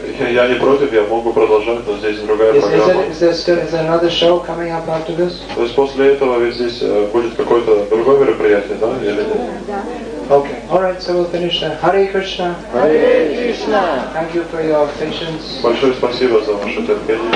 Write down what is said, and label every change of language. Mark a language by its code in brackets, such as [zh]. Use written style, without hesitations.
[ru] Я не против, я могу продолжать, но здесь другая программа. [en] Is there another show coming up after this? [ru] То есть после этого ведь здесь будет какое-то другое мероприятие, да? Или нет? [en] Okay. All right, so we'll finish there. Hare Krishna. Hare Krishna. Thank you for your patience. [ru] Большое спасибо за ваше терпение.